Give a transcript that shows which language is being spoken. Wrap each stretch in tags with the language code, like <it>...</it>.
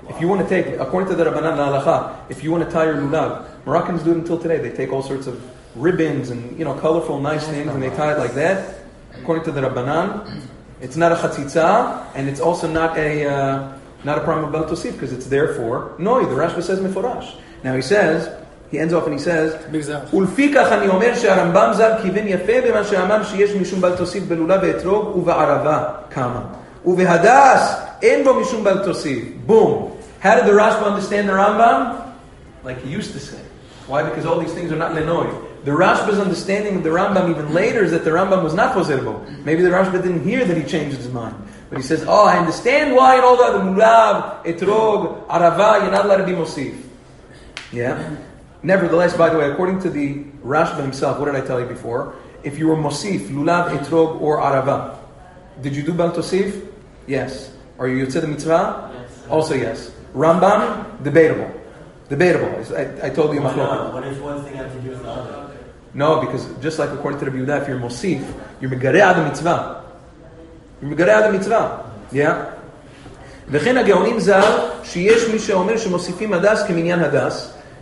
<en>If you want to take, according to the Rabbanan, La Halacha, if you want to tie your Nulav, Moroccans do it until today. They take all sorts of ribbons and, you know, colorful, nice things, and they tie it like that. According to the Rabbanan, it's not a chatzitza, and it's also not a problem of Bal Tosif, because it's there for Noi. The Rashba says Meforash. Now he says, He ends off and he says,</en> <he>ולפיכך אני אומר שהרמב״ם זר כיוון יפה במה שאמר שיש משום בל תוסיף בלולה ואתרוג ובערבה כמה. ובהדס אין בו משום בל תוסיף.</he> <en>Boom. How did the Rashba understand the Rambam? Like he used to say. Why? Because all these things are not lenoi. The Rashba's understanding of the Rambam even later is that the Rambam was not chozer bo. Maybe the Rashba didn't hear that he changed his mind. But he says, oh, I understand why in all that, the mulav, etrog, arava, you're not allowed to be mosif. Yeah? Nevertheless, by the way, according to the Rashba himself, what did I tell you before? If you were mosif, lulav, etrog, or arava, did you do bal tosif? Yes. Are you yotzei the mitzvah? Yes. Also yes. Rambam, debatable. Debatable. I told you. What is one thing I have to do with the other? No, because just like according to the Yudah, if you're mosif, you're megare'a the mitzvah. You're megare'a the mitzvah. Yeah?</en> <he>וכן הגאונים זר שיש מי שאומר שמוסיפים הדס כמניין הדס.</he>